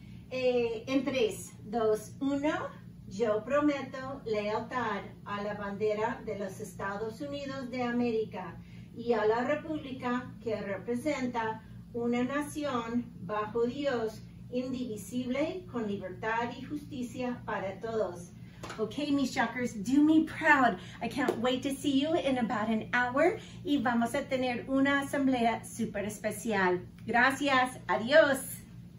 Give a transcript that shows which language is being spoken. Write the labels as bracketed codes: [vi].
[es] En 3, 2, 1, yo prometo lealtad a la bandera de los Estados Unidos de América y a la República que representa una nación bajo Dios, indivisible, con libertad y justicia para todos. [en] Okay, mis Shockers, do me proud. I can't wait to see you in about an hour. [es] Y vamos a tener una asamblea super especial. Gracias. Adiós.